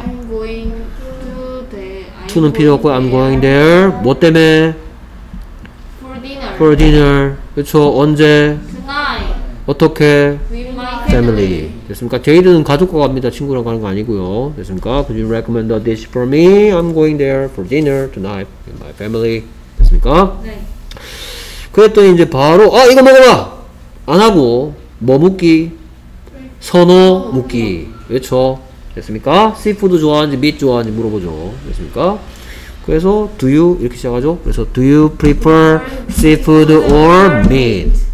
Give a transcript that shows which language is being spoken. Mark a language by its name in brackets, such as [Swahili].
[English] I'm going to the. [Korean] to는 필요 없고, [English] I'm going there. [Korean] 뭐 때문에? [English] for dinner. [Korean] for dinner. 그쵸. 언제? [English] tonight. [Korean] 어떻게? [English] Family. [Korean] 됐습니까? 제이든은 가족과 갑니다. 친구랑 가는 거 아니고요. 됐습니까? [English] Could you recommend a dish for me? I'm going there for dinner tonight with my family. [Korean] 됐습니까? 네. 그랬더니 이제 바로 아 이거 먹어라! 안 하고 뭐 묻기? 선호 묻기. 그렇죠? 됐습니까? 씨푸드 좋아하는지 밋 좋아하는지 물어보죠. 됐습니까? 그래서 [English] do you [Korean] 이렇게 시작하죠? 그래서 [English] do you prefer seafood or meat?